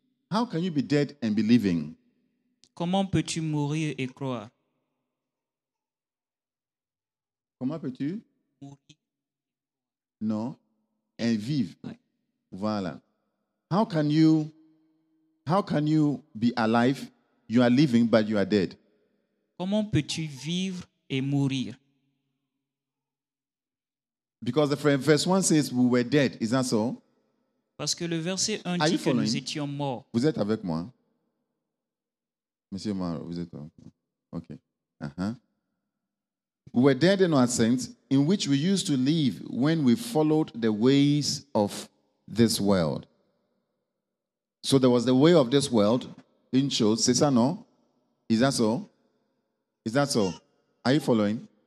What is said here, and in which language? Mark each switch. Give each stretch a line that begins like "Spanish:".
English: How can you be dead and be living?
French: Comment peux-tu mourir et croire? Comment peux-tu? Mourir. Non.
English: And
French: vive. Ouais. Voilà.
English: How can you be alive? You are living, but you are dead.
French: Comment peux-tu vivre et mourir?
English: Because the verse 1 says we were dead. Is that so?
French: Parce que le verset 1 dit que nous étions morts. Vous êtes avec moi? Monsieur Maro, vous êtes avec moi? Ok.
English: We were dead in our sins, in which we used to live when we followed the ways of this world. So there was the way of this world in shows.
French: C'est ça, non?
English: Is that so? Is that so? Are you following?